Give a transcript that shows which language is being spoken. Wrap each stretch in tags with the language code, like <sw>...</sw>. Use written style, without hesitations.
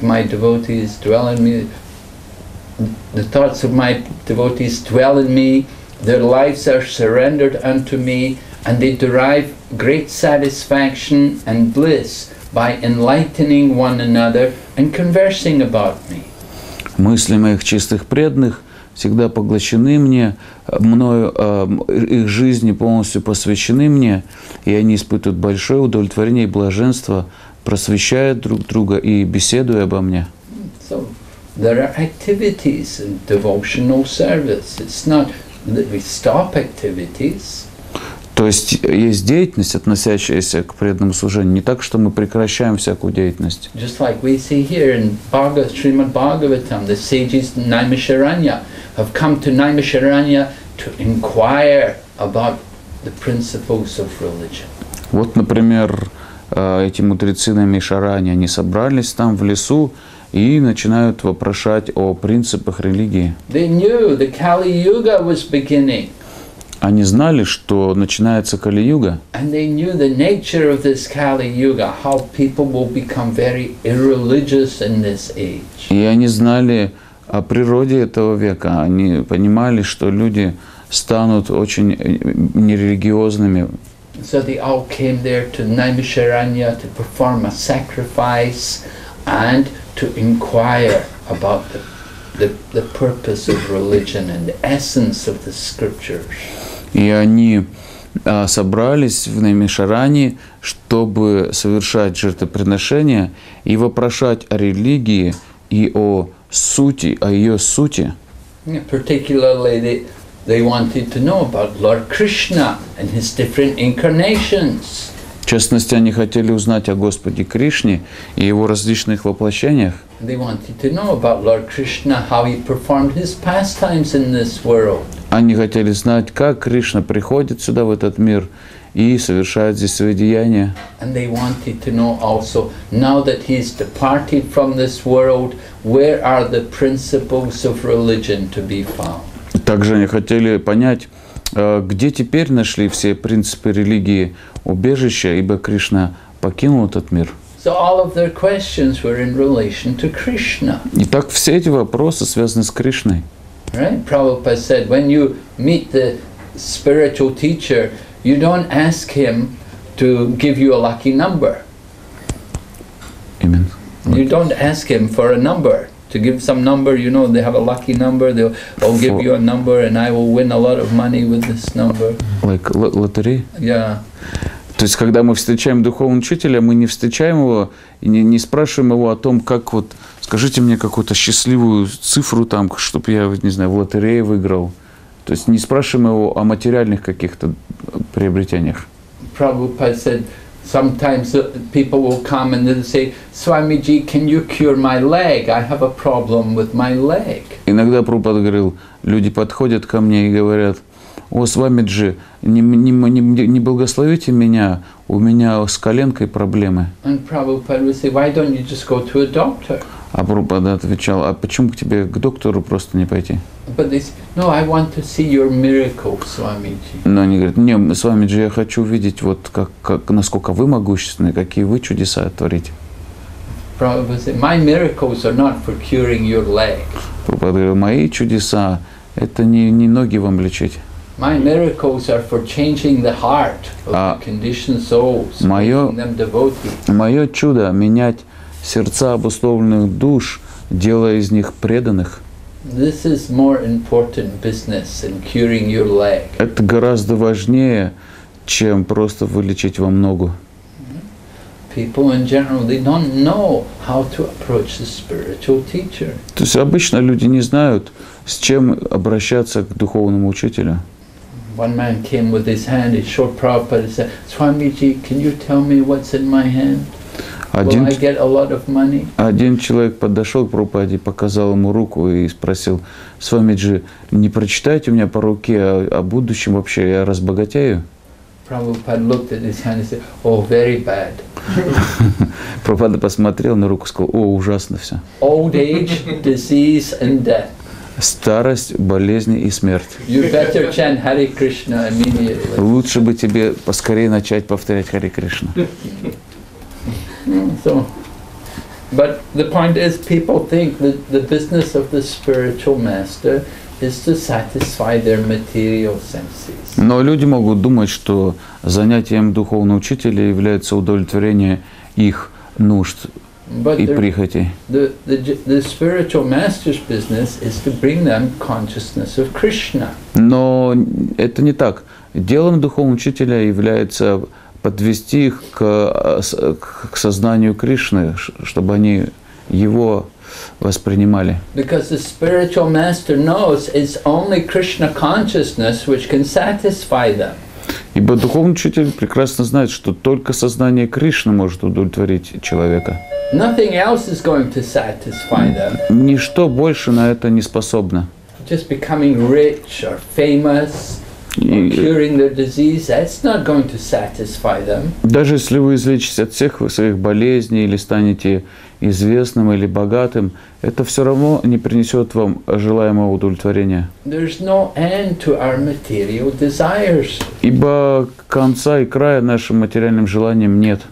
<en>The thoughts of my devotees dwell in me. Their lives are surrendered unto me, and they derive great satisfaction and bliss by enlightening one another and conversing about me.</en> <ru>Мысли моих чистых преданных всегда поглощены мне, мною, их жизни полностью посвящены мне, и они испытывают большое удовлетворение и блаженство, просвещая друг друга и беседуя обо мне.</ru> <en>So, there are activities in devotional service. It's not that we stop activities.</en> <ru>То есть есть деятельность, относящаяся к преданному служению, не так, что мы прекращаем всякую деятельность.</ru> <en>Just like we see here in Srimad Bhagavatam, the sages Naimisharanya have come to Naimisharanya to inquire about the principles of religion.</en> <ru>Вот, например, эти мудрецы Наймишараньи, они собрались там в лесу и начинают вопрошать о принципах религии.</ru> <en>They knew the Kali Yuga was beginning.</en> <ru>Они знали, что начинается Кали-юга.</ru> <en>And they knew the nature of this Kali-yuga, how people will become very irreligious in this age.</en> <ru>И они знали о природе этого века. Они понимали, что люди станут очень нерелигиозными.</ru> <en>So they all came there to Naimisharanya to perform a sacrifice and to inquire about the purpose of religion and the essence of the scriptures.</en> <ru>И они собрались в Наймишаране, чтобы совершать жертвоприношения и вопрошать о религии и о сути, о ее сути.</ru> <en>Yeah, particularly they wanted to know about Lord Krishna and his different incarnations.</en> <ru>В частности, они хотели узнать о Господе Кришне и его различных воплощениях.</ru> <en>They wanted to know about Lord Krishna, how he performed his pastimes in this world.</en> <ru>Они хотели знать, как Кришна приходит сюда, в этот мир, и совершает здесь свои деяния.</ru> <en>And they wanted to know also, now that he is departed from this world, where are the principles of religion to be found?</en> <ru>Также они хотели понять, где теперь нашли все принципы религии убежища, ибо Кришна покинул этот мир.</ru> <en>So all of their questions were in relation to Krishna.</en> <ru>Итак, все эти вопросы связаны с Кришной.</ru> <en>Right? Prabhupada said, when you meet the spiritual teacher, you don't ask him to give you a lucky number. Amen. You don't ask him for a number, to give some number, you know, they have a lucky number, they'll give you a number and I will win a lot of money with this number. Like lottery? Yeah.</en> <ru>То есть, когда мы встречаем духовного учителя, мы не встречаем его и не спрашиваем его о том, как вот, скажите мне какую-то счастливую цифру там, чтобы я, не знаю, в лотерее выиграл. То есть, не спрашиваем его о материальных каких-то приобретениях.</ru> <en>Prabhupada said, sometimes people will come and they'll say, Swamiji, can you cure my leg? I have a problem with my leg.</en> <ru>Иногда Прабхупада говорил, люди подходят ко мне и говорят, о, Свамиджи, не благословите меня, у меня с коленкой проблемы.</ru> <en>And Prabhupada would say, why don't you just go to a doctor?</en> <ru>А Прабхупада отвечал, а почему к тебе к доктору просто не пойти?</ru> <en>But they say, no, I want to see your miracle, Swamiji.</en> <ru>Но они говорят, не, Свамиджи, я хочу видеть, вот как насколько вы могущественны, какие вы чудеса творите.</ru> <en>Prabhupada would say, my miracles are not for curing your leg.</en> <ru>Прабхупада говорил, мои чудеса, это не ноги вам лечить.</ru> <en>My miracles are for changing the heart of the conditioned souls, making them devotees.</en> <ru>Мое чудо менять сердца обусловленных душ, делая из них преданных.</ru> <en>This is more important business than curing your leg.</en> <ru>Это гораздо важнее, чем просто вылечить вам ногу.</ru> <en>People in general, they don't know how to approach the spiritual teacher.</en> <ru>То есть обычно люди не знают, с чем обращаться к духовному учителю.</ru> <en>One man came with his hand, he showed Prabhupada, he said, Swamiji, can you tell me what's in my hand? Will I get a lot of money?</en> <ru>Один человек подошел к Прабхупаде, показал ему руку и спросил, Свамиджи, не прочитайте у меня по руке, а о будущем вообще я разбогатею?</ru> <en>Prabhupada looked at his hand and said, oh, very bad.</en> <ru>Прабхупада посмотрел на руку и сказал, о, ужасно все.</ru> <en>Old age, disease and death.</en> <ru>Старость, болезни и смерть.</ru> <en>You better chant Hare Krishna immediately.</en> <ru>Лучше бы тебе поскорее начать повторять Hare Krishna.</ru> <en>So, but the point is, people think that the business of the spiritual master is to satisfy their material senses.</en> <ru>Но люди могут думать, что занятием духовного учителя является удовлетворение их нужд.</ru> <en>But</en> <ru>и прихоти.</ru> <en>The spiritual master's business is to bring them consciousness of Krishna.</en> <ru>Но это не так. Делом духовного учителя является подвести их к сознанию Кришны, чтобы они его воспринимали.</ru> <en>Because the spiritual master knows it's only Krishna consciousness which can satisfy them.</en> <ru>Ибо духовный учитель прекрасно знает, что только сознание Кришны может удовлетворить человека.</ru> <en>Nothing else is going to satisfy them.</en> <ru>Ничто больше на это не способно.</ru> <en>Just becoming rich or famous or curing their disease, that's not going to satisfy them.</en> <ru>Даже если вы излечитесь от всех своих болезней или станете известным или богатым, это все равно не принесет вам желаемого удовлетворения.</ru> <en>There's no end to our material desires.</en> <ru>Ибо конца и края нашим материальным желаниям нет.</ru>